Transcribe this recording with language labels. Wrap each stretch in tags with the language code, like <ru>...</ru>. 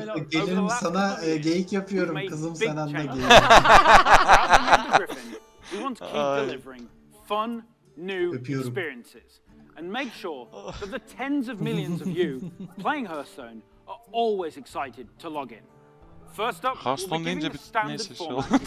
<tr>Gelirim sana geyik yapıyorum kızım sen anne geyik.</tr> <en>Fun new experiences and make sure that the tens of millions of you playing Hearthstone are always excited to log in. First up,</en> <tr>Hearthstone deyince bir neyse şey oldu.</tr>